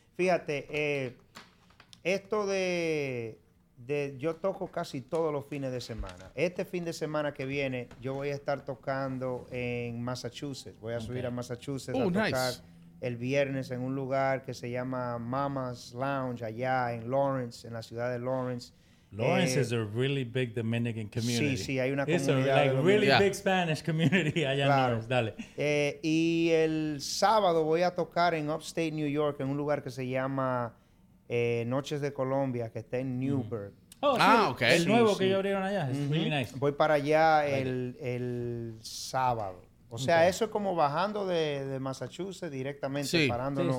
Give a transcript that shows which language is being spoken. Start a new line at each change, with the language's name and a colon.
Spanish: Fíjate, esto de yo toco casi todos los fines de semana. Este fin de semana que viene yo voy a estar tocando en Massachusetts. Voy a subir a Massachusetts tocar el viernes en un lugar que se llama Mama's Lounge allá en Lawrence, en la ciudad de Lawrence.
English: Lawrence is a really big Dominican community.
Spanish: Sí, sí, hay una comunidad.
English: It's a really big Spanish community
Spanish: allá en Lawrence. Dale. Y el sábado voy a tocar en Upstate New York en un lugar que se llama... Noches de Colombia, que está en Newburgh. El nuevo que ellos abrieron allá.
English: It's really nice.
Spanish: Voy para allá el sábado. O sea, eso es como bajando de Massachusetts directamente, parándonos.